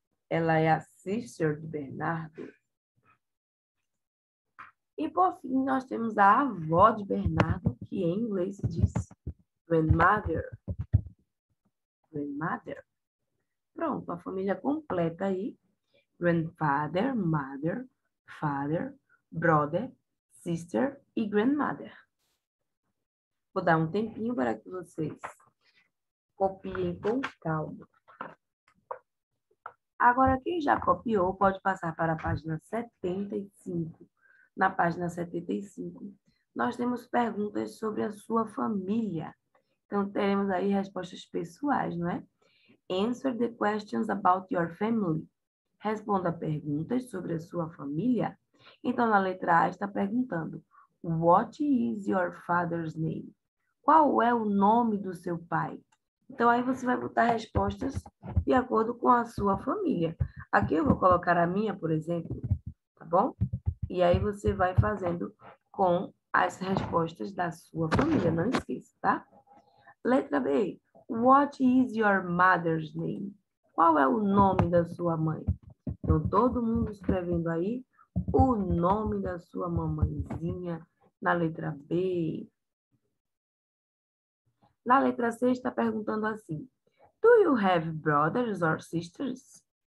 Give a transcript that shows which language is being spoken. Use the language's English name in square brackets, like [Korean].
[Portuguese] Ela é a sister de Bernardo. E por fim, nós temos a avó de Bernardo, que em inglês se diz grandmother. Grandmother. Pronto, a família completa aí. Grandfather, mother, father, brother, sister e grandmother. Vou dar um tempinho para que vocês copiem com calma. Agora, quem já copiou, pode passar para a página 75. Na página 75, nós temos perguntas sobre a sua família. Então, teremos aí respostas pessoais, não é? [English] Answer the questions about your family. [Portuguese] Responda perguntas sobre a sua família. Então, na letra A, está perguntando: [English] What is your father's name? [Portuguese] Qual é o nome do seu pai? Então, aí você vai botar respostas de acordo com a sua família. Aqui eu vou colocar a minha, por exemplo, tá bom? E aí você vai fazendo com as respostas da sua família, não esqueça, tá? Letra B. [English] What is your mother's name? [Portuguese] Qual é o nome da sua mãe? Então, todo mundo escrevendo aí o nome da sua mamãezinha na letra B. Na letra C, está perguntando assim: [English] Do you have brothers or sisters?